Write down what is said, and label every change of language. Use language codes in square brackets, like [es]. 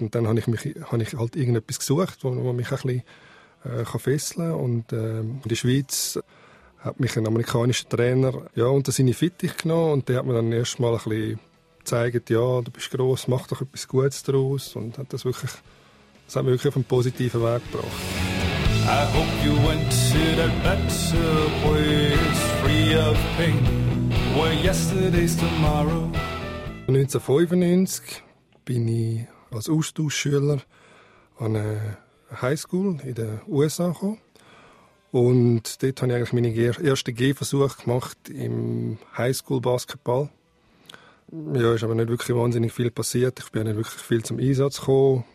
[de] Und dann habe ich halt irgendetwas gesucht, wo mich ein bisschen fesseln kann. Und in der Schweiz hat mich ein amerikanischer Trainer ja, unter seine Fittich genommen und der hat mir dann erst mal ein bisschen gezeigt, ja, du bist gross, mach doch etwas Gutes daraus. Und hat das wirklich... Das hat mich wirklich auf einen positiven Weg gebracht. [en] I hope you went to that better place, free of pain, where yesterday's tomorrow. [de] 1995 bin ich als Austauschschüler an eine Highschool in den USA gekommen. Und dort habe ich eigentlich meinen ersten Gehversuch gemacht im Highschool-Basketball. Ja, ist aber nicht wirklich wahnsinnig viel passiert. Ich bin nicht wirklich viel zum Einsatz gekommen.